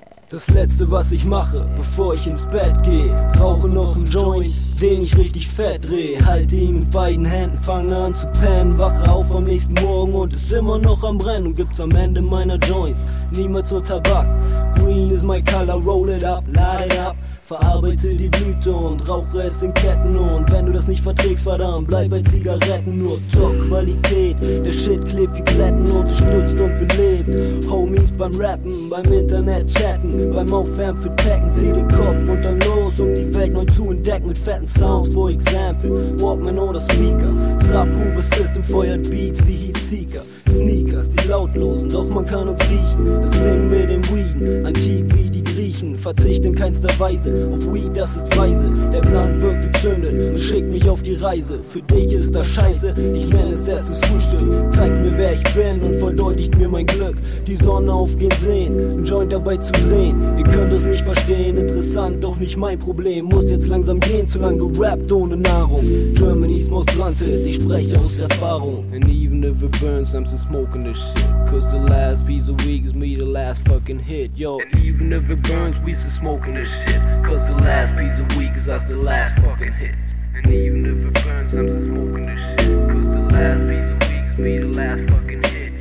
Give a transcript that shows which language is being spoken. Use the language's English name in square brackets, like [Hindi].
[German] Das letzte, was ich mache, bevor ich ins Bett gehe, rauche noch einen Joint, den ich richtig fett dreh. Halte ihn mit beiden Händen, fange an zu pennen, wache auf am nächsten Morgen und ist immer noch am Brennen. Und gibt's am Ende meiner Joints niemals nur Tabak. [English] Green is my color, roll it up, light it up. [German] Verarbeite die Blüte und rauche es in Ketten. Und wenn du das nicht verträgst, verdammt, bleib bei Zigaretten. Nur Top-Qualität, der Shit klebt wie Kletten. Unterstützt und belebt Homies beim Rappen, beim Internet chatten, beim Aufwärmen für Tacken. Zieh den Kopf und dann los, um die Welt neu zu entdecken. Mit fetten Sounds, [English] for example [German] Walkman oder Speaker. Subwoofer System feuert Beats wie Heatseeker. Sneakers, die lautlosen, doch man kann uns riechen. Das Ding mit dem Weeden, antik wie die Griechen. Verzicht in keinster Weise, auf Weed, das ist weise. Der Plan wird gezündet und schickt mich auf die Reise. Für dich ist das scheiße, ich nenne es erstes Frühstück. Zeigt mir, wer ich bin und verdeutlicht mir mein Glück. Die Sonne aufgehen sehen, ein Joint dabei zu drehen. Ihr könnt es nicht verstehen, interessant, doch nicht mein Problem. Muss jetzt langsam gehen, zu lang gerappt ohne Nahrung. [English] Germany's most blunted, [German] ich spreche aus Erfahrung. [English] And even if it burns, I'm smoking this shit, cause the last piece of weed gives me the last fucking hit. Yo, and even if it burns, we still smoking this shit, cause the last piece of weed gives us the last fucking hit. And even if it burns, I'm still smoking this shit, cause the last piece of weed gives me the last fucking hit.